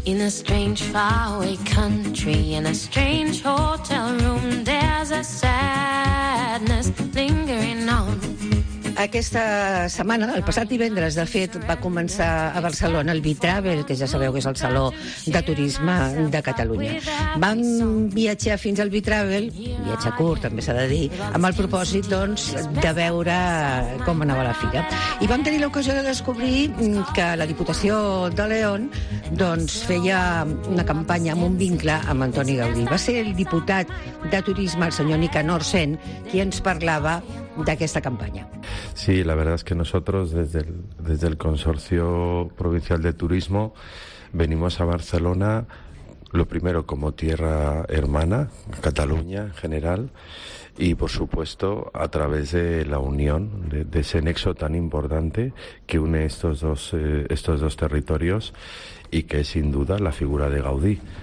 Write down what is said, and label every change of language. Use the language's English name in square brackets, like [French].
[English] strange faraway country, in a strange hotel room, there's a sadness lingering on. [Catalan] Aquesta setmana, el passat divendres, de fet, va començar a Barcelona el Bitravel, que ja sabeu que és el Saló de Turisme de Catalunya. Vam viatjar fins al Bitravel, viatge curt, també s'ha de dir, amb el propòsit, doncs, de veure com anava la fira. I vam tenir l'ocasió de descobrir que la Diputació de León, doncs, feia una campanya amb un vincle amb Antoni Gaudí. Va ser el diputat de Turisme, el senyor Nicanor Sen, qui ens parlava d'aquesta campanya. [Spanish] Sí, la verdad es que nosotros desde el Consorcio Provincial de Turismo venimos a Barcelona, lo primero como tierra hermana, Cataluña en general, y por supuesto a través de la unión, de ese nexo tan importante que une estos dos territorios y que es sin duda la figura de Gaudí.